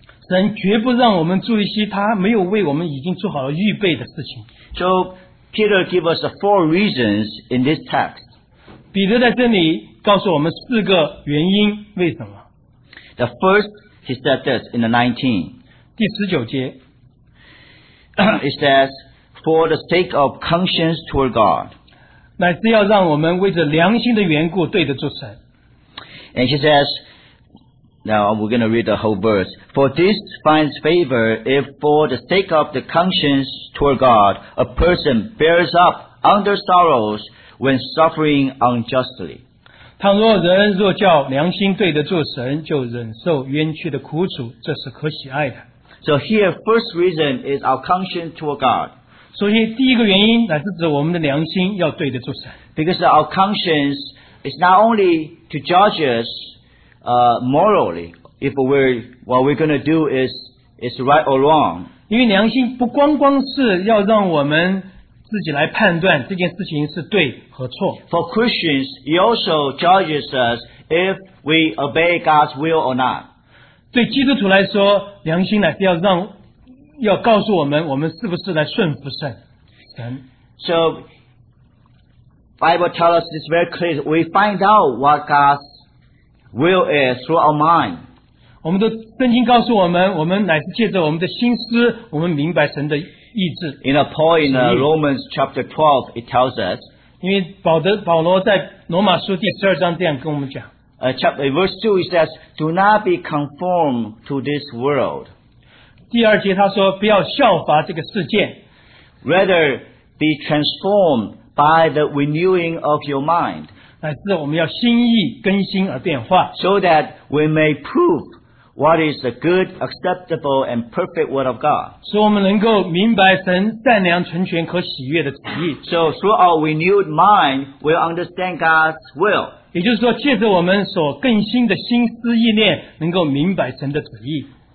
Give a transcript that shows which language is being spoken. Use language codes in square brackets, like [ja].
[zh] 神绝不让我们做一些他没有为我们已经做好了预备的事情。 [en] So Peter gives us four reasons in this text. [zh] 彼得在这里告诉我们四个原因，为什么 [en] ？The first, he said this in the 19. [zh] 第十九节。 [en] It says, for the sake of conscience toward God. [zh] 乃是要让我们为着良心的缘故对得住神。 [en] And he says, now we're going to read the whole verse. For this finds favor if for the sake of the conscience toward God, a person bears up under sorrows when suffering unjustly. [zh] 倘若人若叫良心对得住神，就忍受冤屈的苦楚，这是可喜爱的。 [en] So here, first reason is our conscience toward God. [zh] 首先，第一个原因乃是指我们的良心要对得住神。 [en] Because our conscience is not only to judge us morally if we're, what we're going to do is right or wrong. [zh] 因为良心不光光是要让我们自己来判断这件事情是对和错。 [en] For Christians, he also judges us if we obey God's will or not. [zh] 对基督徒来说，良心呢是要让要告诉我们，我们是不是来顺服神。 [en] So, Bible tells us this very clear. We find out what God's will is through our mind. [zh] 我们的圣经告诉我们，我们乃是借着我们的心思，我们明白神的意志。 [en] In a Paul in Romans chapter 12, it tells us. [zh] 因为保罗在罗马书第十二章这样跟我们讲。 [en] Chapter verse 2, it says, "Do not be conformed to this world." [zh] 第二节他说，不要效法这个世界。 [en] Rather be transformed by the renewing of your mind. [zh] 乃是我们要心意更新而变化。 [en] So that we may prove what is the good, acceptable, and perfect word of God. [zh] 使我们能够明白神善良、纯全和喜悦的旨意。 [en] So through our renewed mind, we'll understand God's will. [zh] 也就是说，借着我们所更新的心思意念，能够明白神的旨意。